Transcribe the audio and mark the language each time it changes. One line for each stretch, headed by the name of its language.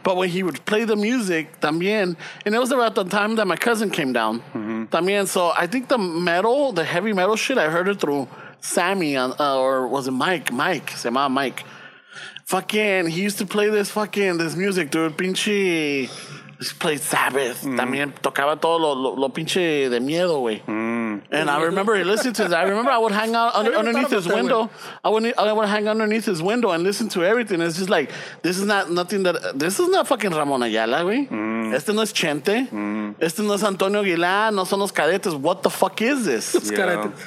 English: But when he would play the music,
Spanish: también,
English: and it was about the time that my cousin came down. Mm-hmm.
Spanish: También,
English: so I think the metal, the heavy metal shit, I heard it through Sammy, or was it Mike? Mike, say my Mike. Fucking, he used to play this music, dude. Pinche, he played Sabbath. Mm.
Spanish: También tocaba todo lo pinche de miedo, güey.
English: And I remember he listened to that. I remember I would hang out underneath his window. I would hang underneath his window and listen to everything. It's just like, this is not fucking Ramon Ayala, güey. Mm.
Spanish: Este no es Chente. Mm. Este no es Antonio Aguilar. No son los cadetes.
English: What the fuck is this?
Spanish: Los cadetes.